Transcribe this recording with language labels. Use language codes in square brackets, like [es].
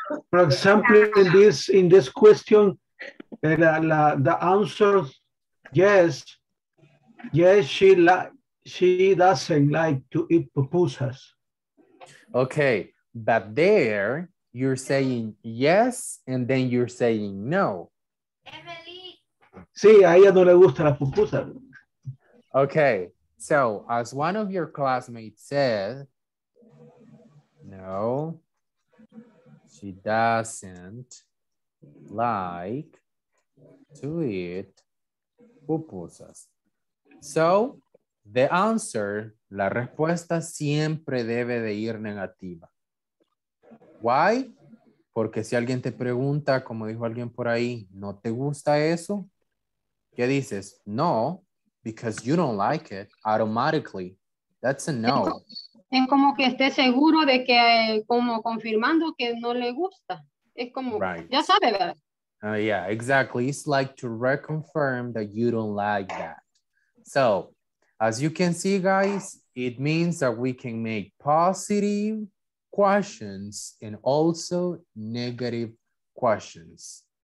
[en] For example, in this question, the answer yes, she doesn't like to eat pupusas. Okay, but there you're saying yes, and then you're saying no. Emily. [es] Sí, a ella no le gusta la pupusa. [en] Okay, so as one of your classmates said, no, she doesn't like to eat pupusas. So the answer, [es] la respuesta siempre debe de ir negativa. [en] Why? [es] Porque si alguien te pregunta, como dijo alguien por ahí, ¿no te gusta eso? ¿Qué dices? [en] No, because you don't like it automatically. That's a no. [es] Es como que esté seguro de que, como confirmando que no le gusta. Es como, right. Ya sabe, ¿verdad? [en] Yeah, exactly. It's like to reconfirm that you don't like that. So, as you can see, guys, it means that we can make positive questions and also negative questions.